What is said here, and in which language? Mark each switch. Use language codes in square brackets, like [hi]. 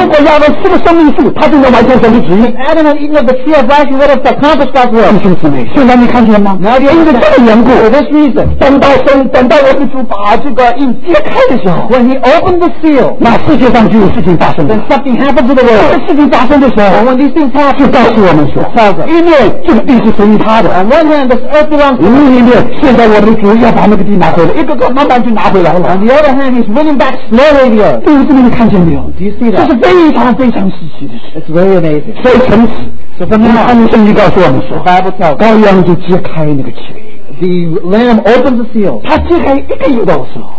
[zh] 如果亚当吃了生命树，他就能完成神的旨意。Adam [en] had eaten of the tree of life, he would have accomplished God's will. [zh] 弟兄姊妹，现在你看见了吗？ [en] Now, [zh] 因为这个缘故 [en] ，this reason， [zh] 等到我们主把这个印揭开的时候 [en] ，when he opened the seal， [zh] 那世界上就。 [en] Then something happens in the world. [zh] 这事情发生的时候, [en] when these things happen, [zh] 就告诉我们说, [en] it tells us, [zh] 一面这个地是属于他的, [en] on one hand this earth belongs to him, [zh] 另一面现在我们主要把那个地拿回来, 一个个慢慢就拿回来了, [en] on the other hand he's winning back slowly the earth. [zh] 弟兄姊妹你看见没有? [en] Do you see that? [zh] 这是非常非常稀奇的事, [en] it's very amazing. [zh] 所以从此, [en] so from now, [zh] 圣经告诉我们说, [en] the Bible tells us, [zh] 羔羊就揭开那个契约, [en] the lamb opens the seal, [zh] 他揭开一个印到的时候